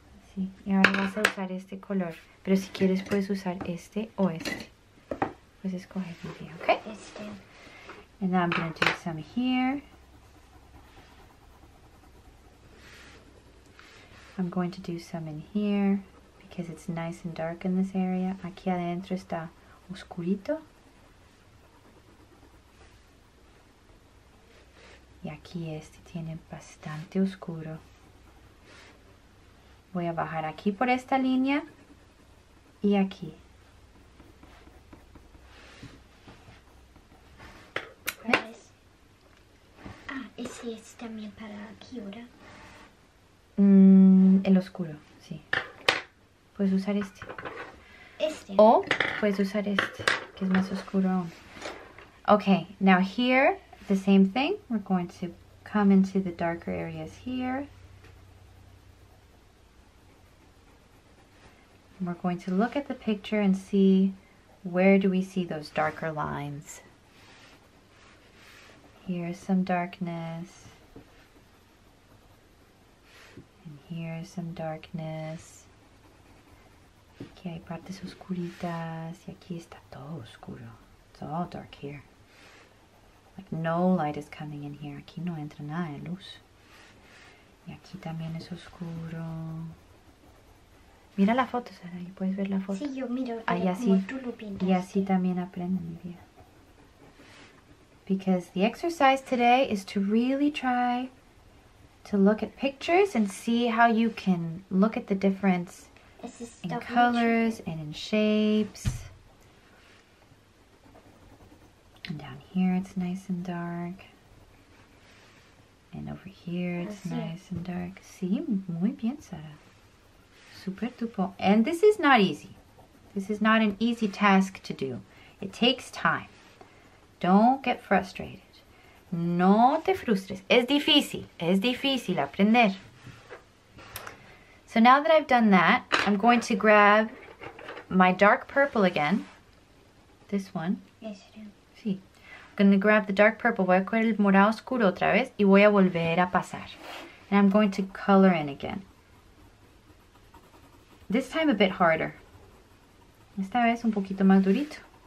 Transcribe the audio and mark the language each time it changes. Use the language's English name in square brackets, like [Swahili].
[Spanish] Sí, y ahora vas a usar este color. Pero si quieres, puedes usar este o este. Pues escoge mi día, ¿ok? Este. [English] And now I'm going to do some here. I'm going to do some in here. because it's nice and dark in this area. [Spanish] Aquí adentro está oscurito. Y aquí este tiene bastante oscuro. Voy a bajar aquí por esta línea y aquí. ¿Ves? Ah, ese es también para aquí ahora. El oscuro, sí. Puedes usar este. Este. O puedes usar este, que es más oscuro aún. [English] Okay, now here, the same thing. We're going to come into the darker areas here. We're going to look at the picture and see where do we see those darker lines. Here's some darkness. And here's some darkness. [Spanish] Aquí hay partes oscuritas y aquí está todo oscuro. [English] It's all dark here. Like no light is coming in here. [Spanish] Aquí no entra nada de luz. Y aquí también es oscuro. Mira la foto, Sara, ahí puedes ver la foto. Sí, yo miro. Ahí así. Tú lo y así también aprendo mi vida. [English] Because the exercise today is to really try to look at pictures and see how you can look at the difference in colors and in shapes. And down here it's nice and dark. And over here it's nice and dark. [Spanish] Sí, muy bien, Sara. Super tupo. [English] And this is not easy. This is not an easy task to do. It takes time. Don't get frustrated. [Spanish] No te frustres. Es difícil. Es difícil aprender. [English] So now that I've done that, I'm going to grab my dark purple again. This one. Yes, I do. Sí. I'm going to grab the dark purple. [Spanish] Voy a coger el morado oscuro otra vez y voy a volver a pasar. [English] And I'm going to color in again. This time a bit harder. [Spanish] Esta vez un poquito más durito.